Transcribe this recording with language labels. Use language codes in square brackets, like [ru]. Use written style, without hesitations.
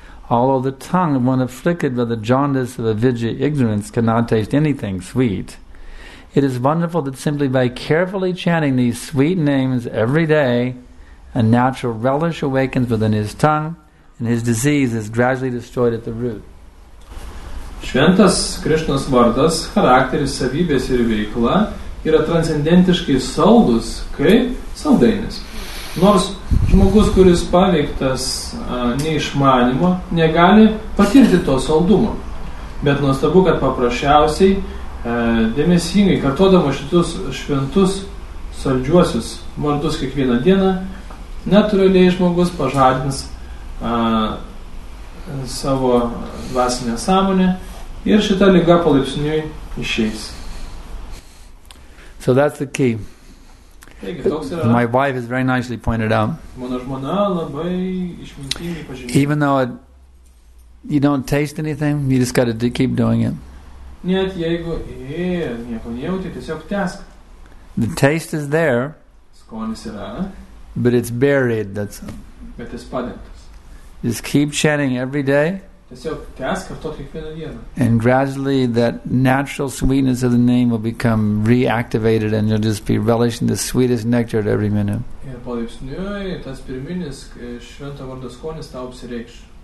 [en] Although the tongue of one afflicted by the jaundice of avidya ignorance cannot taste anything sweet, it is wonderful that simply by carefully chanting these sweet names every day, a natural relish awakens within his tongue, and his disease is gradually destroyed at the root. [lt] Šventas Krishnas vardas, charakteris, savybės ir veikla yra transcendentiškai saldus kaip saldainis. Nors žmogus, kuris paveiktas neišmanimo, negali patirti to saldumo. Bet nuostabu, kad paprasčiausiai, dėmesingai, kartodama šitus šventus saldžiuosius vardus kiekvieną dieną, natūraliai žmogus pažadins savo dvasinę sąmonę ir šita liga palaipsniui išeis. [en] So that's the key. [lt] Taigi, [en] my wife has very nicely pointed out. [lt] Mano žmona labai išmintingai pažymėjo. [en] Even though it You don't taste anything, you just got to keep doing it. [ru] Нет, [lt] jeigu nieko nejauti, tiesiog tęsk. [en] The taste is there. [lt] Skonis yra. [en] But it's buried, that's [lt] bet jis padėtas. [en] Just keep chanting every day. [lt] Tiesiog tęsk ir to kiekvieną dieną. [en] And gradually that natural sweetness of the name will become reactivated and you'll just be relishing the sweetest nectar at every minute. [lt] Ir palaipsniui tas pirminis švento vardo skonis tau apsireikš.